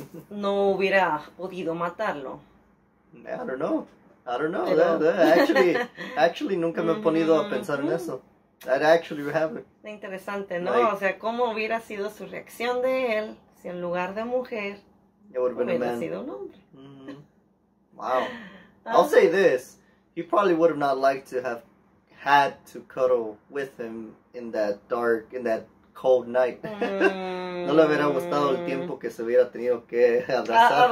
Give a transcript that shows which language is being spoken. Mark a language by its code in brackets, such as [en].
[es] No hubiera podido matarlo. [en] I don't know. Pero... [es] Actually, nunca me he ponido a pensar en eso. [en] That actually happened. [es] Interesante, ¿no? Like... O sea, cómo hubiera sido su reacción de él si en lugar de mujer... [en] It would have been a man. Mm-hmm. Wow. I'll say this. He probably would have not liked to have had to cuddle with him in that dark, in that cold night. [es] No le hubiera gustado el tiempo que se hubiera tenido que abrazar.